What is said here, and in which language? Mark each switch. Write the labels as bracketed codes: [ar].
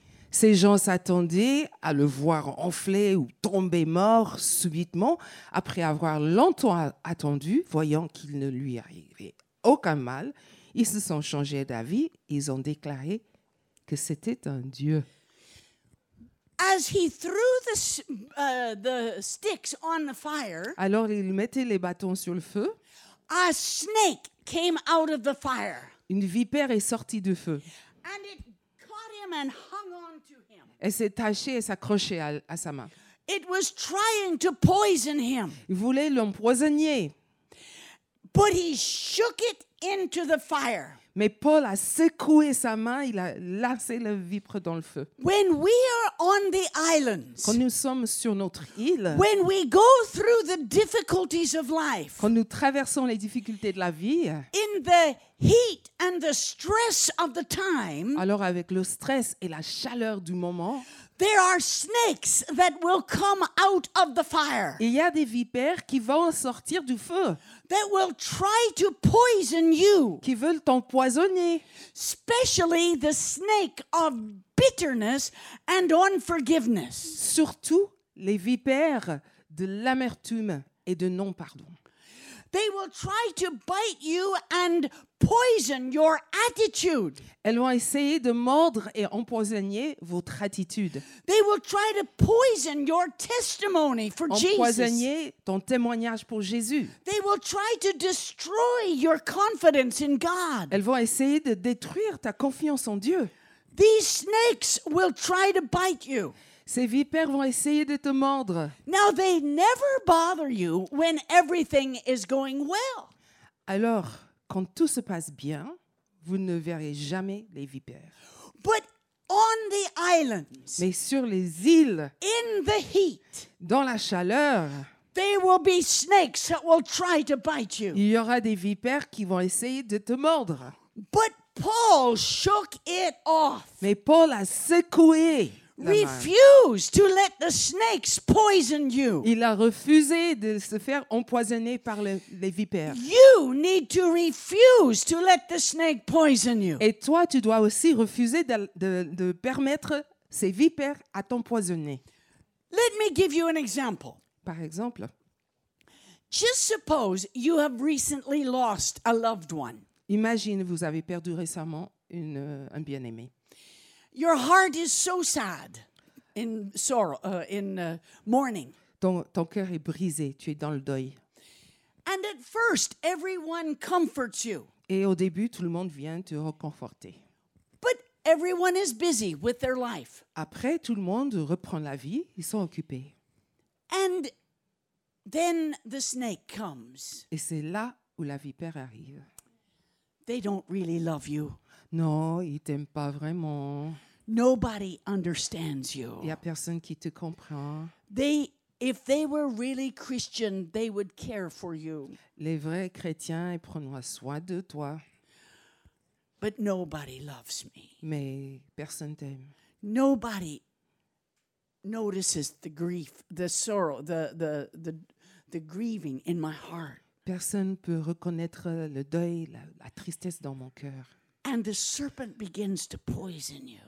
[fr] Ces gens s'attendaient à le voir enfler ou tomber mort subitement après avoir longtemps attendu, voyant qu'il ne lui arrivait aucun mal. Ils se sont changés d'avis. Ils ont déclaré que c'était un dieu. [en] As he threw the sticks on the fire, [fr] alors il mettait les bâtons sur le feu. [en] A snake came out of the fire. [fr] Une vipère est sortie du feu. [en] And it caught him and hung on to him. [fr] Elle s'est attachée et s'accrochait à sa main. [en] It was trying to poison him. [fr] Il voulait l'empoisonner. [en] But he shook it into the fire. [fr] Mais Paul a secoué sa main, il a lancé la vipre dans le feu. [en] When we are on the islands, [fr] quand nous sommes sur notre île, [en] when we go through the difficulties of life, [fr] quand nous traversons les difficultés de la vie, [en] in the heat and the stress of the time, [fr] alors avec le stress et la chaleur du moment, [en] there are snakes that will come out of the fire. [fr] Il y a des vipères qui vont sortir du feu. [en] That will try to poison you. [fr] Qui veulent t'empoisonner. [en] Especially the snake of bitterness and unforgiveness. [fr] Surtout les vipères de l'amertume et de non-pardon. [en] They will try to bite you and poison your attitude. [fr] Elles vont essayer de mordre et empoisonner votre attitude. [en] They will try to poison your testimony for Jesus. [fr] Empoisonner ton témoignage pour Jésus. [en] They will try to destroy your confidence in God. [fr] Elles vont essayer de détruire ta confiance en Dieu. [en] These snakes will try to bite you. [fr] Ces vipères vont essayer de te mordre. [en] Now they never bother you when everything is going well. [fr] Alors, quand tout se passe bien, vous ne verrez jamais les vipères. [en] But on the islands, [fr] mais sur les îles, [en] in the heat, [fr] dans la chaleur, [en] there will be snakes that will try to bite you. [fr] Il y aura des vipères qui vont essayer de te mordre. [en] But Paul shook it off. [fr] Mais Paul a secoué. [en] Refuse to let the snakes poison you. [fr] Il a refusé de se faire empoisonner par les vipères. [en] You need to refuse to let the snake poison you. [fr] Et toi, tu dois aussi refuser de permettre ces vipères à t'empoisonner. [en] Let me give you an example. [fr] Par exemple, [en] just suppose you have recently lost a loved one. [fr] Imagine vous avez perdu récemment un bien-aimé. [en] Your heart is so sad in sorrow, mourning. [fr] Ton cœur est brisé, tu es dans le deuil. [en] And at first, everyone comforts you. [fr] Et au début, tout le monde vient te réconforter. [en] But everyone is busy with their life. [fr] Après, tout le monde reprend la vie, ils sont occupés. [en] And then the snake comes. [fr] Et c'est là où la vipère arrive. [en] They don't really love you. [fr] Non, ils ne t'aiment pas vraiment. [en] Nobody understands you. [fr] Il n'y a personne qui te comprend. [en] If they were really Christian, they would care for you. [fr] Les vrais chrétiens, ils prendraient soin de toi. [en] But nobody loves me. [fr] Mais personne ne t'aime. [en] Nobody notices the grief, the sorrow, the grieving in my heart. [fr] Personne ne peut reconnaître le deuil, la tristesse dans mon cœur. [en] And the serpent begins to poison you.